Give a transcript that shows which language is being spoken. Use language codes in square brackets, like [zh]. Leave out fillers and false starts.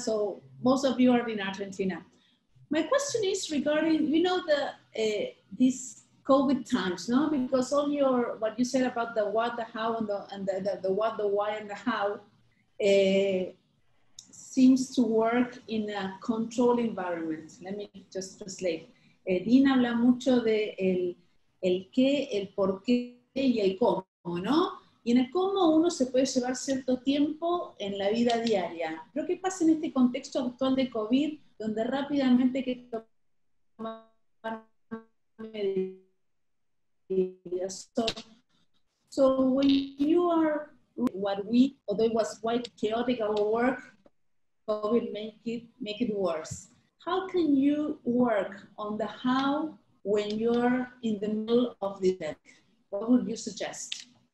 [en] So most of you are in Argentina. My question is regarding, you know, this COVID times, no? Because all your, what you said about the what, the how, and the what, the why, and the how seems to work in a controlled environment. Let me just translate. [es] Dean habla mucho de el qué, el por qué, y el cómo, ¿no? Y en el cómo uno se puede llevar cierto tiempo en la vida diaria. Pero ¿qué pasa en este contexto actual de COVID, donde rápidamente hay que tomar medidas? [en] So when you are what we, although it was quite chaotic, our work, COVID make it worse. How can you work on the how when you're in the middle of the deck? What would you suggest?